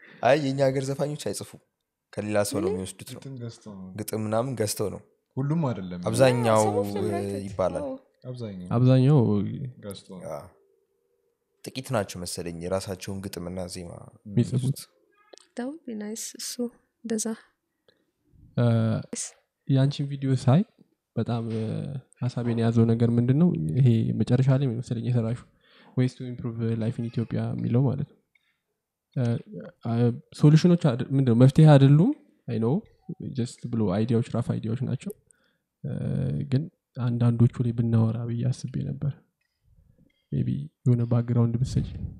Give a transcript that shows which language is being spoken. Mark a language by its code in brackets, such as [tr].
[am] አይ የኛ ሀገር ዘፋኞች አይጽፉ ከሌላ ሰው ነው የሚወስዱት ግጥም ምናምን ገስተው ነው ሁሉም አይደለም አብዛኛው ይባላል አብዛኛው ገስተው ነው ጥቂት ናቸው መሰለኝ ራሳቸውን ግጥምና ዜማ የሚጽፉት [en] that would be nice so [am] ደዛ ያንቺን ቪዲዮ ሳይ በጣም ሐሳቤን ያዘው ነገር ምንድነው ይሄ መጨረሻ ላይ መሰለኝ የሰራሽው [en] ways to improve life in Ethiopia [am] የሚለው ማለት ሶሉሽኖች ምንድነው መፍትሄ አይደሉም አይ ኖ [en] just blue ideas rough ideas [am] ናቸው ግን አንዳንዶቹ ላይ ብናወራ ብያስብ የነበር maybe የሆነ [en] background message